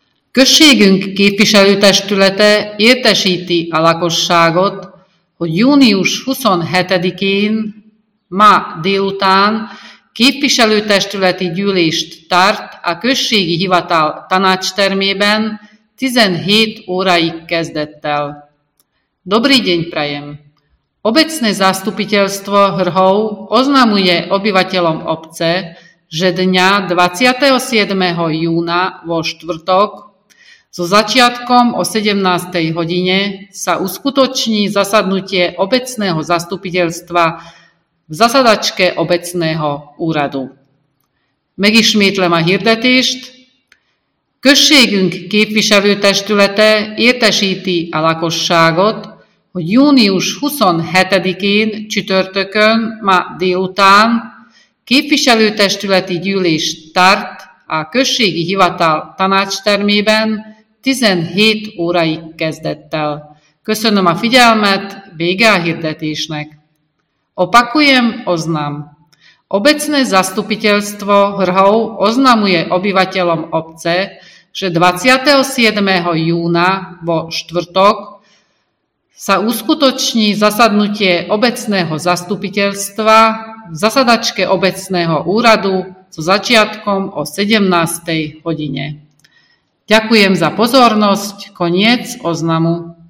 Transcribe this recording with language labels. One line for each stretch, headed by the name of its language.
Hungarian: Községünk képviselőtestülete értesíti a lakosságot, hogy június 27-én, ma délután képviselőtestületi gyűlést tart a községi hivatal tanácstermében 17 óráig kezdettel.
Slovak: Dobrý deň prajem! Obecné zastupiteľstvo Hrhov oznamuje obyvateľom obce, že dňa 27. júna vo štvrtok so začiatkom o 17. hodine sa uskutoční zasadnutie obecného zastupiteľstva v zasadačke obecného úradu.
Hungarian: Megismétlem a hirdetést. Községünk képviselőtestülete értesíti a lakosságot, hogy június 27-én csütörtökön, ma délután képviselőtestületi gyűlést tart a községi hivatal tanácstermében 17 óraig kezdettel. Köszönöm a figyelmet, vége a hirdetésnek.
Slovak: Opakujem oznam. Obecné zastupiteľstvo Hrhov oznamuje obyvateľom obce, že 27. júna vo štvrtok sa uskutoční zasadnutie obecného zastupiteľstva v zasadačke obecného úradu so začiatkom o 17. hodine. Ďakujem za pozornosť. Koniec oznamu.